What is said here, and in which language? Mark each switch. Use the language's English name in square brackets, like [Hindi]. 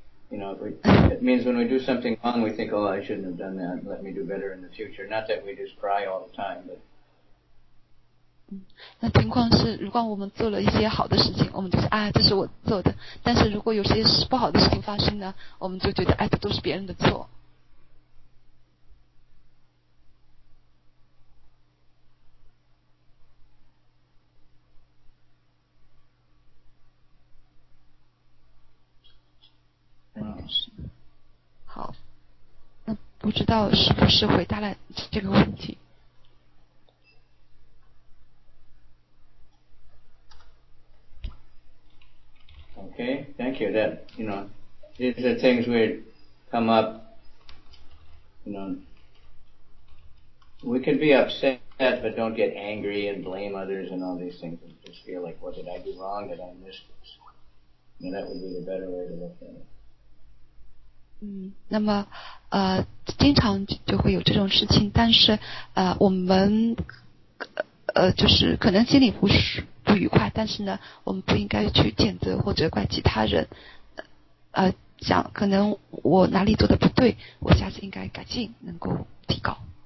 [English] You know, it means when we do something wrong, we think, "Oh, I shouldn't have done that. Let me do better in the future." Not that we just cry all the time, but. [Chinese] 那情况是，如果我们做了一些好的事情，我们就是啊，这是我做的。但是如果有些不好的事情发生呢，我们就觉得哎，这都是别人的错。好，那不知道是不是回答了这个问题。 [English] Okay, thank you. That, you know, these are things we come up, you know, we can be upset, but don't get angry and blame others and all these things. And just feel like, what did I do wrong? Did I miss this? And that would be the better way to look at it. [Chinese] 那么经常就会有这种事情，但是我们就是可能心里不是不愉快，但是呢我们不应该去谴责或责怪其他人，讲可能我哪里做的不对，我下次应该改进，能够提高。